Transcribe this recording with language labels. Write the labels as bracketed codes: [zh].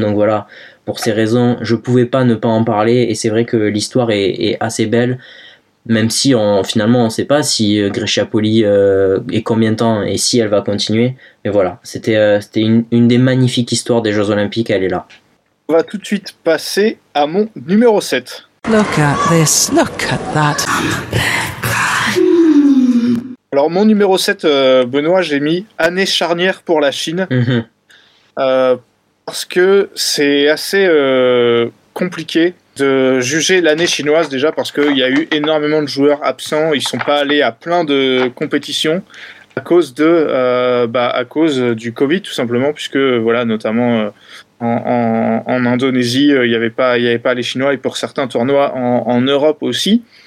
[fr] Donc voilà, pour ces raisons je pouvais pas ne pas en parler et c'est vrai que l'histoire est assez belle, même si finalement on sait pas si Grey Chapoli est combien de temps et si elle va continuer, mais voilà, c'était une des magnifiques histoires des Jeux Olympiques, elle est là. On va tout de suite passer à mon numéro 7. [en] Look at this, look at that. [fr] Alors mon numéro 7, Benoît, j'ai mis année charnière pour la Chine. Mm-hmm. Parce que c'est assez compliqué. de juger l'année chinoise déjà parce qu'il y a eu énormément de joueurs absents. Ils ne sont pas allés à plein de compétitions à cause, à cause du Covid tout simplement, puisque voilà, notamment en Indonésie, il n'y avait pas les Chinois, et pour certains tournois en Europe aussi.